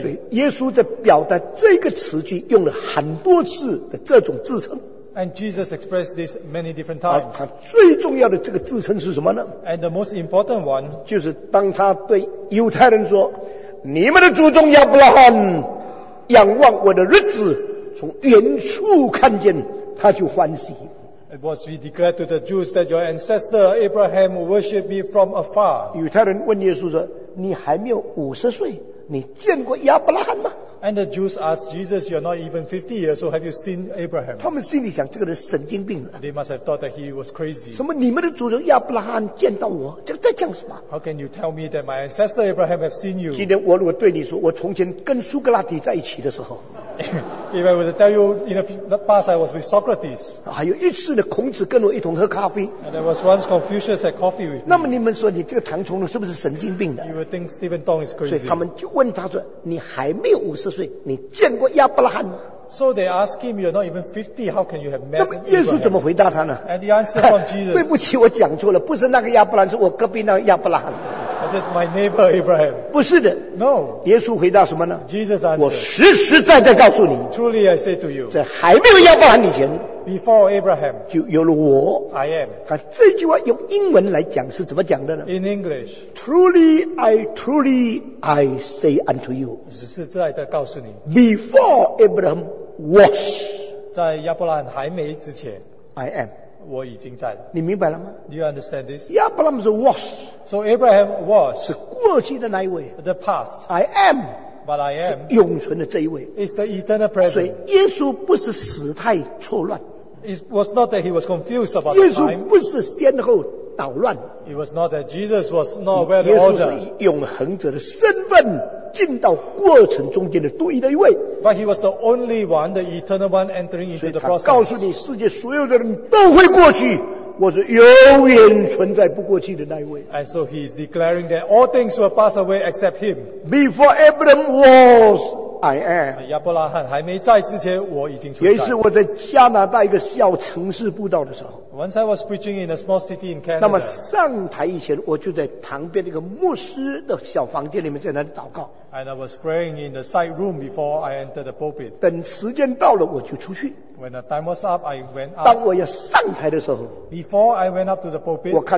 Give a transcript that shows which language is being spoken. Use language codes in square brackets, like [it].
[zh] 所以耶稣在表达这个词句用了很多次的这种自称。 [en] And Jesus expressed this many different times. [zh] 他最重要的这个自称是什么呢? [en] And the most important one, [zh] 就是当他对犹太人说, 你们的祖宗亚伯拉罕, 仰望我的日子, 从远处看见, 他就欢喜。 [en] It was we declared to the Jews that your ancestor Abraham worshipped me from afar. [zh] 犹太人问耶稣说, 你还没有五十岁, 你见过亚伯拉罕吗? [en] And the Jews asked Jesus, you're not even 50 years old, have you seen Abraham? [zh] 他们心里想, [en] they must have thought that he was crazy. [zh] 什么你们的祖宗亚伯拉罕见到我, 这在讲什么? [en] How can you tell me that my ancestor Abraham have seen you? [zh] 今天我如果对你说我从前跟苏格拉底在一起的时候, [en] if I were to tell you in the past I was with Socrates, [zh] 还有一次的孔子跟我一同喝咖啡, [en] and there was once Confucius had coffee with me, [zh] 那么你们说你这个唐崇荣是不是神经病的? [en] You would think Stephen Tong is crazy. [zh] 所以他们就问他说, 你还没有50岁, 你见过亚伯拉罕吗? [en] So they ask him, you're not even 50, how can you have met Abraham? [zh] 那么耶稣怎么回答他呢? [en] And the answer from Jesus, [zh] 对不起我讲错了, 不是那个亚伯兰, 是我隔壁那个亚伯兰。 [en] I said, my neighbor Abraham. [zh] 不是的, [en] no. [zh] 耶稣回答什么呢? [en] Jesus answered, [zh] 我实实在在告诉你, [en] truly I say to you, [zh] 在还没有亚伯兰以前, [en] before Abraham, [zh] 就有了我, [en] I am. [zh] 这句话用英文来讲是怎么讲的呢? [en] In English, truly I say unto you, [zh] 实实在在告诉你, [en] before Abraham was, [zh] 在亚伯兰还没之前, [en] I am. [zh] 我已经在了, 你明白了吗? [en] Do you understand this? Abraham was, so Abraham was, [zh] 是过去的那一位, [en] the past, I am, but I am, [zh] 是永存的这一位, [en] is the eternal present. [zh] 所以耶稣不是时态错乱, [en] it was not that he was confused about [zh] 耶稣不是先后捣乱, [en] the time, it was not that Jesus was not aware of the order. [zh] 耶稣是永恒者的身份, 进到过程中间的独一的一位, [en] but he was the only one, the eternal one entering into the process. [zh] 所以他告诉你世界所有的人都会过去, 我是永远存在不过去的那一位, [en] and so he is declaring that all things will pass away except him. Before Abraham was, I am. [zh] 亚伯拉罕还没在之前我已经存在. 有一次我在加拿大一个小城市布道的时候, [en] once I was preaching in a small city in Canada, [zh] 那么上台以前, 我就在旁边那个牧师的小房间里面在那里祷告, [en] and I was praying in the side room before I entered the pulpit. [zh] 等时间到了, 我就出去, [en] when the time was up, I went up. [zh] 当我要上台的时候, [en] before I went up to the pulpit,